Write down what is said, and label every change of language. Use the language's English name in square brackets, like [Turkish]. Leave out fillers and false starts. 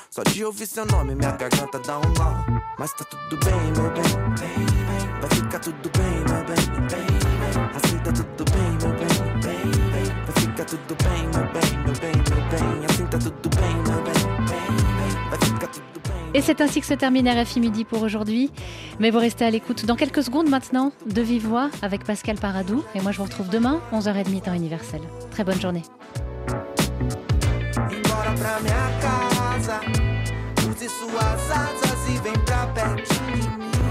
[Portuguese] Só de ouvir seu nome, minha garganta dá um nó. Mas tá tudo bem, meu bem. Vai ficar tudo bem, meu bem. Aceita tudo bem, meu bem. Vai ficar tudo bem, meu bem, meu bem, meu bem. Assim tá tudo bem, meu bem. Vai ficar tudo bem. [French] Et c'est ainsi que se termine RFI Midi pour aujourd'hui. Mais vous restez à l'écoute dans quelques secondes maintenant de Vive Voix avec Pascal Paradou. Et moi je vous retrouve demain, 11h30 temps universel. Très bonne journée. [Portuguese] Embora pra minha casa, use suas asas e vem pra perto de mim.